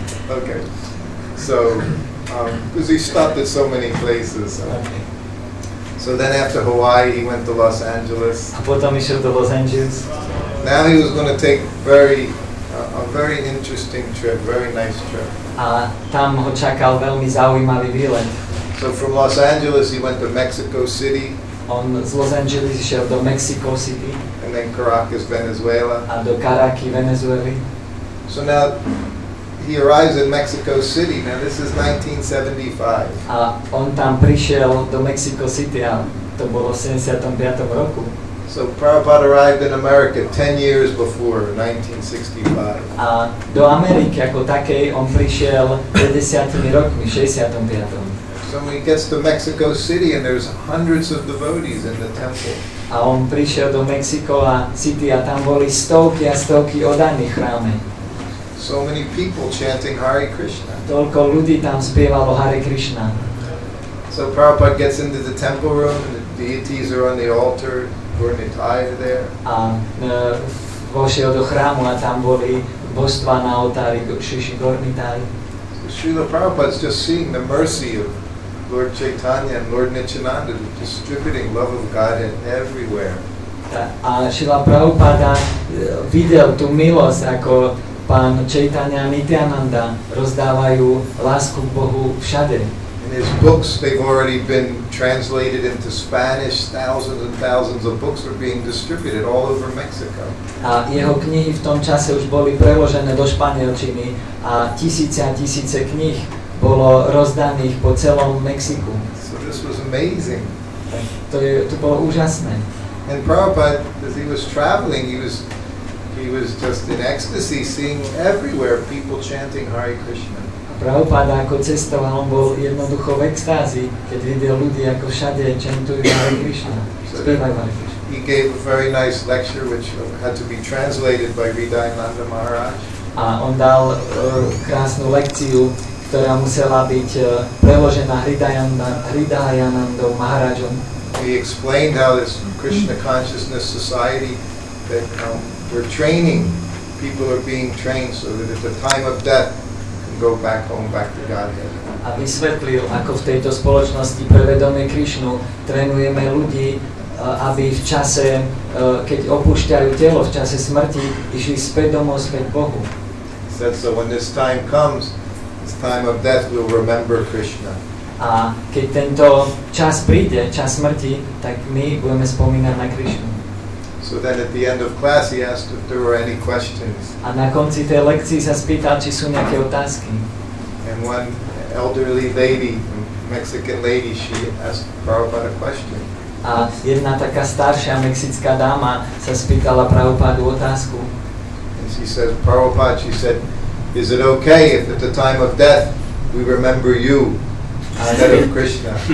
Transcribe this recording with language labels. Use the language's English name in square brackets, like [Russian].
[English] Okay, so, because he stopped at so many places. So then after Hawaii he went to Los Angeles. [Slovak] A potom išiel do Los Angeles. [English] Now he was going to take very a very interesting trip, very nice trip. [Slovak] A tam ho čakal veľmi zaujímavý výlet. [English] So from Los Angeles he went to Mexico City. [Slovak] On z Los Angeles išiel do Mexico City. [English] And then Caracas, Venezuela. [Slovak] A do Caracas, Venezuela. [English] So now he arrives in Mexico City. Now this is 1975. [Slovak] A on tam prišiel do Mexico City a to bolo v 75. roku. [English] So Prabhupada arrived in America 10 years before 1965. [Slovak] A do Ameriky ako takej on prišiel 50. rokmi, 65. [English] So he gets to Mexico City and there's hundreds of devotees in the temple. [Slovak] A on prišiel do Mexico City a tam boli stovky a stovky oddaných chráme. [English] So many people chanting Hare Krishna. [Slovak] Toľko ľudí tam spievalo Hare Krishna. [English] So Prabhupada gets into the temple room and the deities are on the altar. [Slovak] A vošiel do chrámu a tam boli božstva na oltári, Šriši Gornitári. [English] Srila Prabhupada is just seeing the mercy of Lord Chaitanya and Lord Nityananda distributing love of God in everywhere. [Slovak] A Srila Prabhupada videl tú milosť, ako pán Chaitanya a Nityananda rozdávajú lásku k Bohu všade. [English] His books, they've already been translated into Spanish. Thousands and thousands of books are being distributed all over Mexico. [Slovak] A jeho knihy v tom čase už boli preložené do španielčiny a tisíce a tisíce knih bolo rozdaných po celom Mexiku. [English] So this was amazing. [Slovak] To bolo úžasné. [English] And Prabhupada, as he was traveling, he was just in ecstasy seeing everywhere people chanting Hare Krishna. [Slovak] Prabhupada ako cestoval, on bol jednoducho v extázi, keď videl ľudí ako všade čentujú Hare Krishna, spievajú Hare Krishna. [English] He gave a very nice lecture which had to be translated by Vidyananda Maharaj. [Slovak] A on dal krásnu lekciu, ktorá musela byť preložená Hridayanandou Maharajom. [English] He explained how this Krishna consciousness society that we're training, people are being trained so that at the time of death go back home, back to Godhead. [Slovak] A vysvetlil, ako v tejto spoločnosti pre vedomie Krišnu trénujeme ľudí, aby v čase, keď opúšťajú telo, v čase smrti, išli späť domov, späť Bohu. [English] Said, so when this time comes, this time of death, we'll remember Krishna. [Slovak] A keď tento čas príde, čas smrti, tak my budeme spomínať na Krišnu. [English] So then at the end of class he asked if there were any questions. [Slovak] A na konci tej lekcii sa spýtal, či sú nejaké otázky. [English] And one elderly lady, Mexican lady, she asked Prabhupada a question. [Slovak] A jedna taká staršia mexická dáma sa spýtala Prabhupádu otázku. [English] And she said, Prabhupada, she said, is it okay if at the time of death we remember you instead of Krishna?